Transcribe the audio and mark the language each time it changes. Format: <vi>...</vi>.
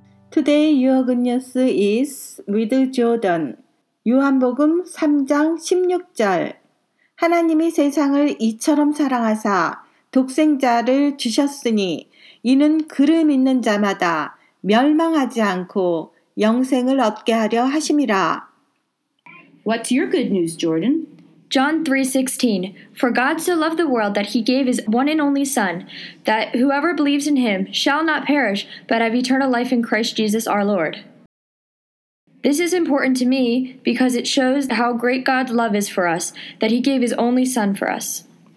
<en>Today, your good news is with Jordan.</en> <ko>요한복음 3장 16절. 하나님이 세상을 이처럼 사랑하사 독생자를 주셨으니 이는 그를 믿는 자마다 멸망하지 않고 영생을 얻게 하려 하심이라.</ko> <en>What's your good news, Jordan? John 3:16, for God so loved the world that he gave his one and only Son, that whoever believes in him shall not perish, but have eternal life in Christ Jesus our Lord. This is important to me because it shows how great God's love is for us, that he gave his only Son for us.</en>